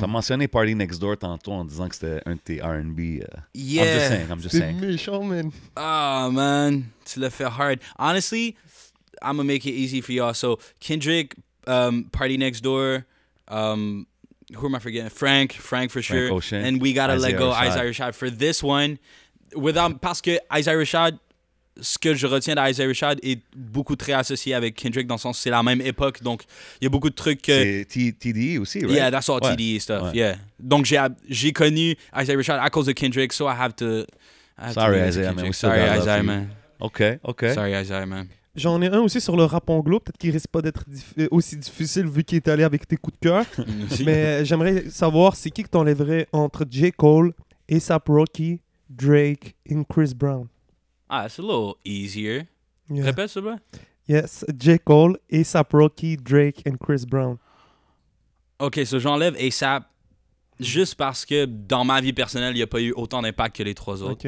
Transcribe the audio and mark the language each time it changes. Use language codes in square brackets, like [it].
[fr] T'as mentionné Party Next Door tantôt en disant que c'était un de tes R&B. [en] Yeah. I'm just saying. [fr] C'est méchant, man. Ah, man. Tu l'as fait hard. [en] Honestly, I'm gonna make it easy for y'all. So, Kendrick, Party Next Door, who am I forgetting? Frank for sure. Frank Ocean. And we gotta let go Isaiah Rashad for this one. [fr] Parce que Isaiah Rashad, ce que je retiens d'Isaiah Rashad est beaucoup très associé avec Kendrick dans le sens c'est la même époque donc il y a beaucoup de trucs que... C'est TDE aussi, [en] right? Yeah, that's all ouais. TDE stuff, ouais. Yeah. [fr] Donc j'ai connu Isaiah Rashad à cause de Kendrick, [en] so I have to... Sorry, Isaiah, man. Ok. Sorry, Isaiah, man. [fr] J'en ai un aussi sur le rap anglo, peut-être qu'il risque pas d'être aussi difficile vu qu'il est allé avec tes coups de cœur. Mais j'aimerais savoir c'est qui que t'enlèverais entre J. Cole, A$AP Rocky, Drake et Chris Brown. [en] Ah, it's a little easier. Yeah. [fr] Répète, s'il te plaît. [en] Yes, J. Cole, A$AP Rocky, Drake, and Chris Brown. [fr] OK, so j'enlève A$AP juste parce que dans ma vie personnelle, il n'y a pas eu autant d'impact que les trois autres.